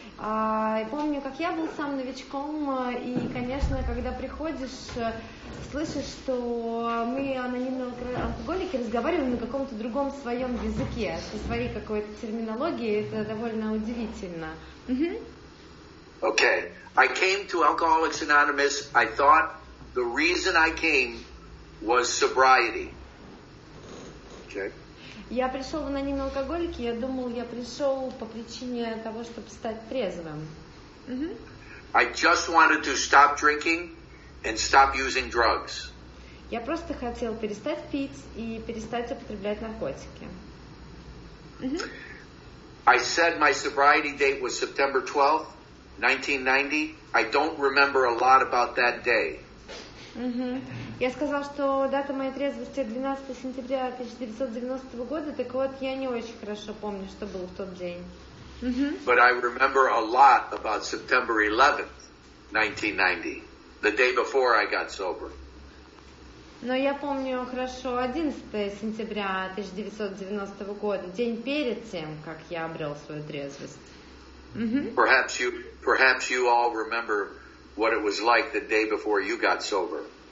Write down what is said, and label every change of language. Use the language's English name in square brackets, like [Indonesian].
[Russian] Помню, как я был сам новичком, и, конечно, когда приходишь, слышишь, что мы анонимные алкоголики разговариваем на каком-то другом своем языке, со своей какой-то терминологией, это довольно удивительно. [English] Okay. I came to Alcoholics Anonymous. I thought the reason I came was sobriety. [Russian] Я пришел в анонимные алкоголики, я думал, я пришел по причине того, чтобы стать трезвым. [English] I just wanted to stop drinking and stop using drugs. [Russian] Я просто хотел перестать пить и перестать употреблять наркотики. [English] I said my sobriety date was September 12th, 1990. I don't remember a lot about that day. [Russian] Я сказал, что дата моей трезвости 12 сентября 1990 года, так вот, я не очень хорошо помню, что было в тот день. [English] But I remember a lot about September 11th, 1990, the day before I got sober. [Russian] Но я помню хорошо 11 сентября 1990 года, день перед тем, как я обрел свою трезвость. [English] Perhaps you all remember what it was like the day before you got sober.